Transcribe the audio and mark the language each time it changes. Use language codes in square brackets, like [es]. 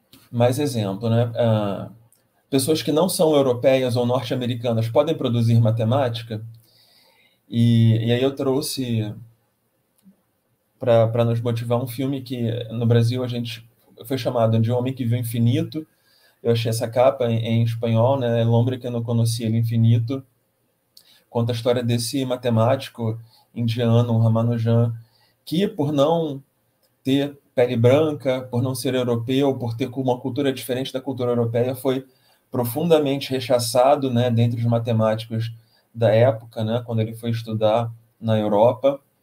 [pt] Mais exemplo, né? Pessoas que não são europeias ou norte-americanas podem produzir matemática? E aí eu trouxe para nos motivar um filme que no Brasil a gente foi chamado de O Homem que Viu Infinito. Eu achei essa capa em espanhol, né? [es] El Hombre que No Conocía el Infinito. [pt] Conta a história desse matemático indiano, Ramanujan, que por não ter pele branca, por não ser europeu, por ter uma cultura diferente da cultura europeia, foi profundamente rechaçado, né, dentro dos matemáticos da época, né, quando ele foi estudar na Europa.